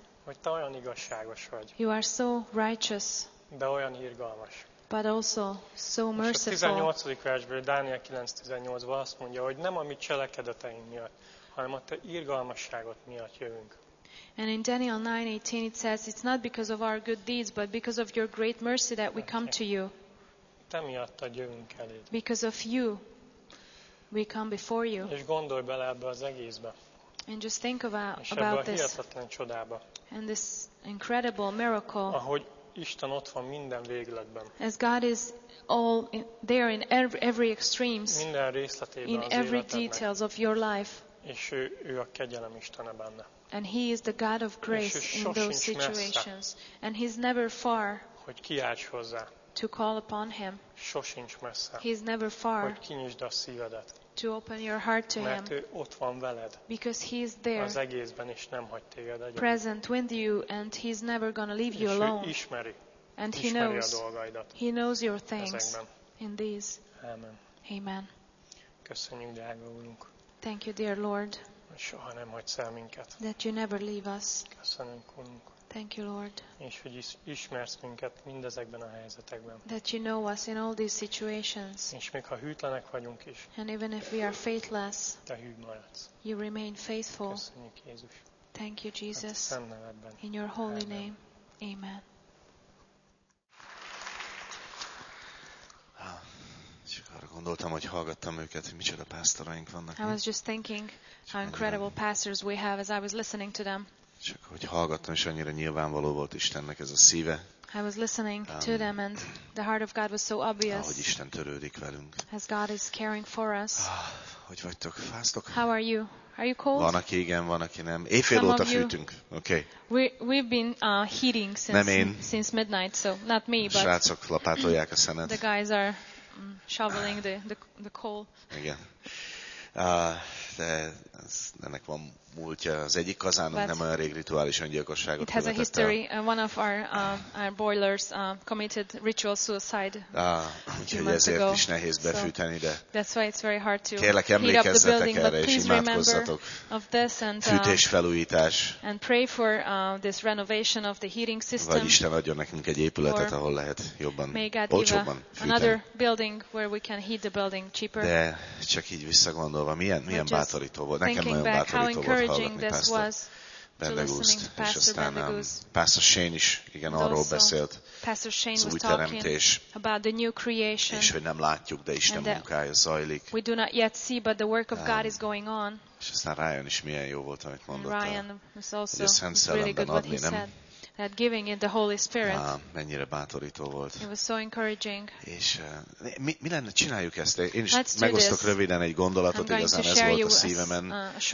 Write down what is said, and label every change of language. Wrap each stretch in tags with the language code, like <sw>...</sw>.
<hu>Hogy te olyan igazságos vagy.</hu> <en>You are so righteous.</en> <hu>De olyan irgalmas.</hu> <en>But also so merciful.</en> <hu>És a 18. versből, Dániel 9:18-ban azt mondja, hogy nem a mi cselekedeteink miatt, hanem a te irgalmasságot miatt jövünk.</hu> <en>And in Daniel 9:18 it says, it's not because of our good deeds, but because of your great mercy that we come to you.</en> <hu>Te miattad jövünk eléd.</hu> <en>Because of you, we come before you.</en> <hu>És gondolj bele ebbe az egészbe.</hu> <en>And just think about this.</en> <hu>És ebbe a hihetetlen csodába.</hu> <en>And this incredible miracle.</en> <hu>Ahogy Isten ott van minden végletben.</hu> <en>As God is all there in every extremes.</en> <hu>Minden részletében.</hu> <en>In every details of your life.</en> <hu>És ő a kegyelem Istene benne.</hu> <en>And he is the God of grace in those situations. And he's never far.</en> <hu>Hogy kiálts hozzá.</hu> <en>To call upon him.</en> <hu>Sosincs messze.</hu> <en>He's never far.</en> <hu>Hogy kinyisd a szívedet.</hu> <en>To open your heart to him.</en> <hu>Mert ő ott van veled.</hu> <en>Because he is there.</en> <hu>Az egészben is nem hagy téged egyedül.</hu> <en>Present with you and he's never gonna leave you alone.</en> <hu>És ő ismeri.</hu> <en>And he knows.</en> <hu>Ismeri a dolgaidat.</hu> <en>He knows your things.</en> <hu>Ezekben.</hu> <en>In these.</en> <hu>Amen.</hu> <en>Amen.</en> <hu>Köszönjük, drága Úrunk.</hu> <en>Thank you, dear Lord.</en> <hu>Hogy soha nem hagysz el minket.</hu> <en>That you never leave us.</en> <hu>Köszönünk, Úrunk.</hu> <en>Thank you, Lord.</en> <hu>És hogy ismersz minket mindezekben a helyzetekben.</hu> <en>That you know us in all these situations.</en> <hu>És még ha hűtlenek vagyunk is.</hu> <en>And even if we are faithless.</en> <hu>Te hű maradsz.</hu> <en>You remain faithful.</en> <hu>Köszönjük, Jézus.</hu> <en>Thank you, Jesus.</en> <hu>A te szent nevedben.</hu> <en>In your holy name. Amen.</en> <hu>Csak arra gondoltam, hogy hallgattam őket, hogy micsoda pásztoraink vannak.</hu> <en>I was just thinking how incredible pastors we have as I was listening to them.</en> <hu>Csak hogy hallgattam, és annyira nyilvánvaló volt Istennek ez a szíve.</hu> <en>I was listening to them and the heart of God was so obvious.</en> <hu>Ahogy Isten törődik velünk.</hu> <en>As God is caring for us.</en> <hu>Hogy vagytok? Fáztok?</hu> <en>How are you? Are you cold?</en> <hu>Van, aki igen, van, aki nem. Éjfél óta fűtünk. Okay.</hu> <en>We've been heating since midnight, so not me, but</en> <hu>srácok lapátolják a szenet.</hu> <en>The guys are shoveling the coal.</en> <hu>Igen. De ennek van múltja. Az egyik kazánunk nem olyan rég rituális öngyilkosságot követett.</hu> <en>It has a history. One of our boilers committed ritual suicide.</en> <hu>Úgyhogy ezért is nehéz befűteni, de.</hu> <en>That's why it's very hard to.</en> <hu>Kérlek, emlékezzetek erre és imádkozzatok. Fűtés felújítás.</hu> <en>And pray for this renovation of the heating system.</en> <hu>Vagy Isten adjon nekünk egy épületet, ahol lehet jobban, olcsóbban fűteni.</hu> <en>Another building where we can heat the building cheaper.</en> <hu>De csak így visszagondolva, milyen bátorító volt. Nekem nagyon bátorító volt hallgatni Pásztor Bellegúzt, és aztán Pásztor Shane is, igen, arról beszélt, az új teremtés, és hogy nem látjuk, de Isten munkája zajlik.</hu> <en>We do not yet see, but the work of God is going on.</en> <hu>És aztán Ryan is milyen jó volt, amit mondott.</hu> <en>Ryan was also really good what he said. That giving in the Holy Spirit.</en> <hu>Mennyire bátorító volt.</hu> <en>It was so encouraging.</en> <hu>És mi lenne, csináljuk ezt? Én is megosztok röviden egy gondolatot, igazán ez volt a szívemen.</hu>